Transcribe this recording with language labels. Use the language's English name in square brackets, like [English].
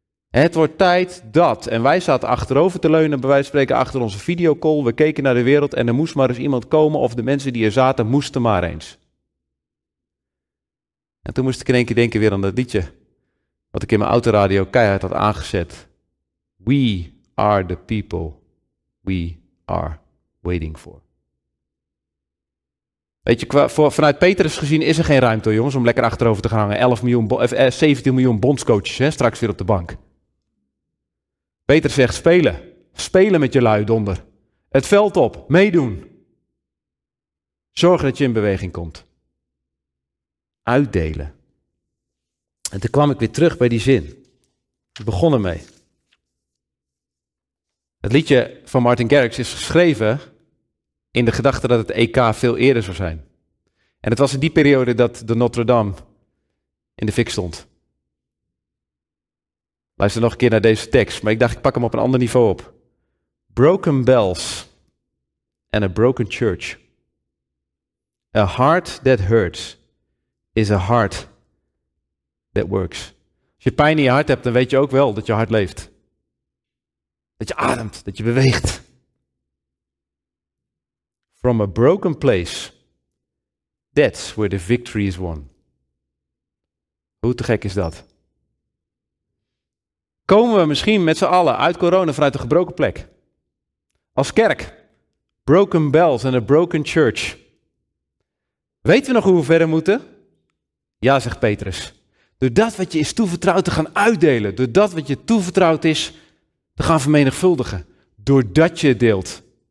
[Dutch] Het wordt tijd dat. En wij zaten achterover te leunen, bij wijze van spreken achter onze videocall. We keken naar de wereld en er moest maar eens iemand komen, of de mensen die er zaten moesten maar eens. En toen moest ik in één keer denken weer aan dat liedje, wat ik in mijn autoradio keihard had aangezet. [English] We are the people we are waiting for. [Dutch] Weet je, vanuit Petrus gezien is er geen ruimte, jongens, om lekker achterover te gaan hangen. 17 miljoen bondscoaches, hè, straks weer op de bank. Petrus zegt, spelen. Spelen met je lui donder. Het veld op, meedoen. Zorgen dat je in beweging komt. Uitdelen. En toen kwam ik weer terug bij die zin. Ik begon ermee. Het liedje van Martin Garrix is geschreven in de gedachte dat het EK veel eerder zou zijn. En het was in die periode dat de Notre Dame in de fik stond. Luister nog een keer naar deze tekst, maar ik dacht, ik pak hem op een ander niveau op. [English] Broken bells and a broken church. A heart that hurts is a heart that works. [Dutch] Als je pijn in je hart hebt, dan weet je ook wel dat je hart leeft. Dat je ademt, dat je beweegt. [English] From a broken place, that's where the victory is won. [Dutch] Hoe te gek is dat? Komen we misschien met z'n allen uit corona vanuit een gebroken plek? Als kerk, [English] broken bells and a broken church. [Dutch] Weten we nog hoe we verder moeten? Ja, zegt Petrus. Door dat wat je is toevertrouwd te gaan uitdelen, door dat wat je toevertrouwd is te gaan vermenigvuldigen, doordat je het deelt.